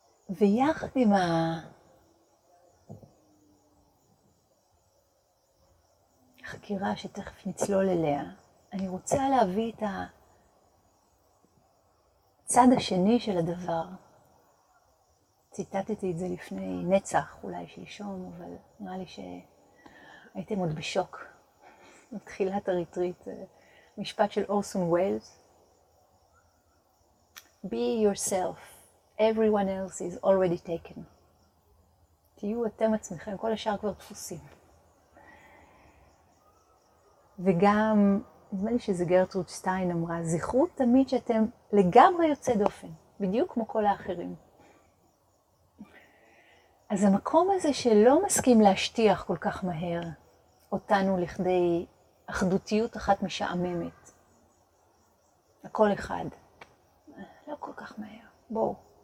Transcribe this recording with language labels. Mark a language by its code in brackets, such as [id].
[he] ויחד עם החקירה שתכף נצלול אליה, אני רוצה להביא את הצד השני של הדבר. ציטטתי את זה לפני נצח, אולי שלשום, אבל נראה לי שהייתם עוד בשוק. מתחילת הריטריט, משפט של אורסון ווילס. [en] Be yourself. Everyone else is already taken. [he] תהיו אתם עצמכם, כל השאר כבר דפוסים. וגם, נדמה לי שזה גרטרוד שטיין אמרה, זכרו תמיד שאתם לגמרי יוצא דופן, בדיוק כמו כל האחרים. אז המקום הזה שלא מסכים להשטיח כל כך מהר אותנו לכדי אחדותיות אחת משעממת. הכל אחד. לא כל כך מהר. בואו.